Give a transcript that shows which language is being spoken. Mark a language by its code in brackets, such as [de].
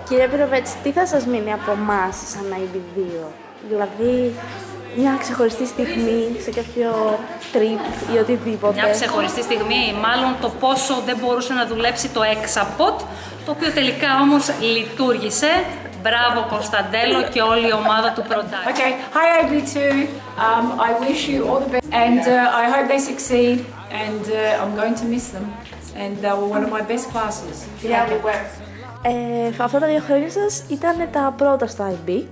[el] Κύριε Πυροβέτση, τι θα σας μείνει από εμάς σαν IB2, δηλαδή... Μια ξεχωριστή στιγμή σε κάποιο trip ή οτιδήποτε. Μια ξεχωριστή στιγμή, μάλλον το πόσο δεν μπορούσε να δουλέψει το Exapod, το οποίο τελικά όμως λειτουργήσε. Μπράβο Κωνσταντέλο και όλη η ομάδα του Product. [en] Okay, hi IB2, I wish you all the best and I hope they succeed and I'm going to miss them and they were one of my best classes. Yeah, it works. [el] Αυτά τα δύο χρόνια σας ήταν τα πρώτα στο IB.